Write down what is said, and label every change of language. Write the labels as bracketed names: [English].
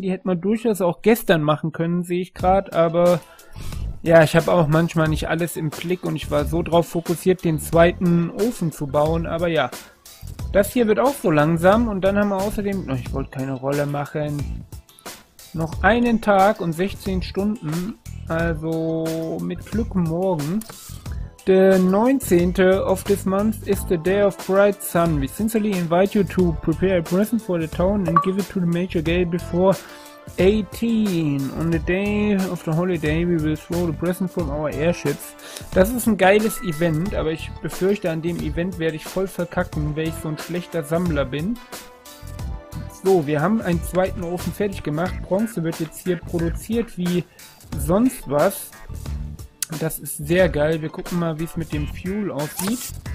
[German] Die hätte man durchaus auch gestern machen können, sehe ich gerade, aber ja, ich habe auch manchmal nicht alles im Blick und ich war so drauf fokussiert, den zweiten Ofen zu bauen, aber ja, das hier wird auch so langsam und dann haben wir außerdem, oh, ich wollte keine Rolle machen, noch einen Tag und 16 Stunden. Also mit Glück morgen. Der 19. [English] of this month is the day of bright sun. We sincerely invite you to prepare a present for the town and give it to the major gate before 18. On the day of the holiday we will throw the present from our airships. [German] Das ist ein geiles Event, aber ich befürchte, an dem Event werde ich voll verkacken, weil ich so ein schlechter Sammler bin. So, wir haben einen zweiten Ofen fertig gemacht. Bronze wird jetzt hier produziert wie sonst was. Das ist sehr geil. Wir gucken mal, wie es mit dem Fuel aussieht.